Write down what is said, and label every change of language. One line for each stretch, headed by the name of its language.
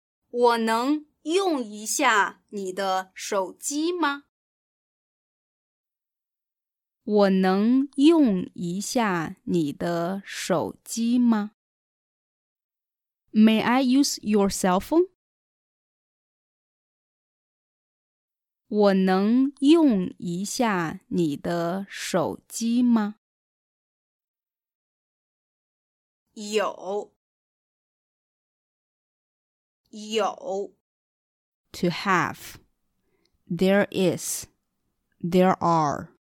Chinese: 我能用一下你的手机吗？我能用一下你的手机吗？
English: May I use your cell phone?
Chinese: 我能用一下你的手机吗？有
English: To have. There is. There are.